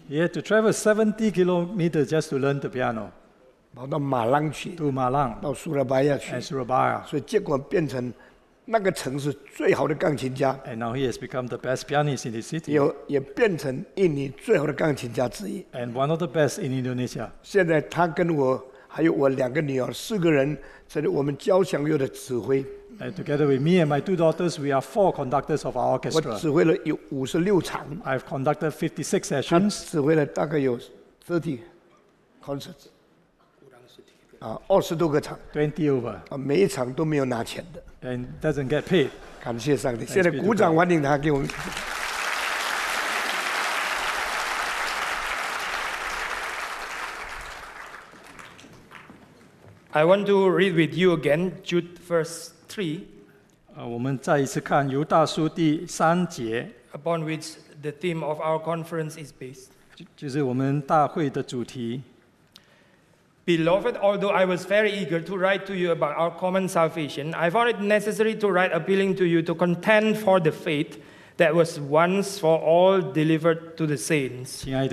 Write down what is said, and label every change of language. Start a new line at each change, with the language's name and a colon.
English: He had to travel 70 kilometers just to learn the piano.
Chinese: 跑到马浪去，杜马浪，到苏拉巴亚去，苏拉巴亚，所以结果变成那个城市最好的钢琴家。
English: And now he has become the best pianist in the city.
Chinese: 也变成印尼最好的钢琴家之一。
English: And one of the best in Indonesia.
Chinese: 现在他跟我还有我2个女儿4个人成为我们交响乐的指挥。
English: And together with me and my 2 daughters, we are 4 conductors of our orchestra.
Chinese: 我指挥了有56场。
English: I've conducted 56 sessions.
Chinese: 他指挥了大概有
English: 30 concerts.
Chinese: 20多个场
English: 20 over
Chinese: 每一场都没有拿钱的
English: and doesn't get paid
Chinese: 感谢上帝 现在鼓掌欢迎他 给我们
English: I want to read with you again Jude verse 3
Chinese: 我们再一次看 犹大书第三节
English: upon which the theme of our conference is based
Chinese: 就是我们大会的主题
English: Beloved, although I was very eager to write to you about our common salvation, I found it necessary to write appealing to you to contend for the faith that was once for all delivered to the saints.